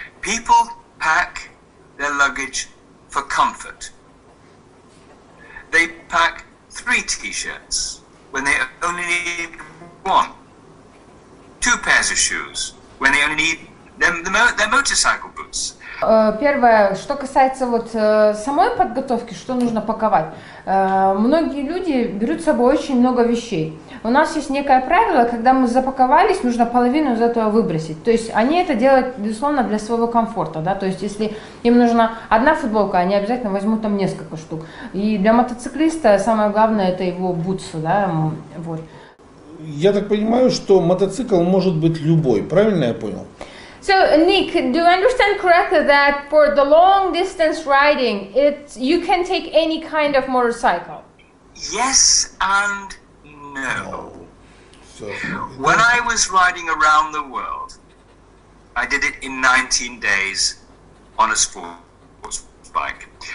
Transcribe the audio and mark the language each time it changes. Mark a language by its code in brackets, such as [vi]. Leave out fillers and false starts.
[en] People pack their luggage for comfort. They pack 3 t-shirts when they only need 1. 2 pairs of shoes when they only need their motorcycle boots. [ru] Первое, что касается вот самой подготовки, что нужно паковать. Многие люди берут с собой очень много вещей. У нас есть некое правило, когда мы запаковались, нужно половину из этого выбросить. То есть они это делают, безусловно, для своего комфорта, да? То есть если им нужна одна футболка, они обязательно возьмут там несколько штук. И для мотоциклиста самое главное – это его бутсы, да? Вот. Я так понимаю, что мотоцикл может быть любой, правильно я понял? [en] So, Nick, do I understand correctly that for the long distance riding, you can take any kind of motorcycle? Yes and no. So, when I was riding around the world, I did it in 19 days on a sports bike.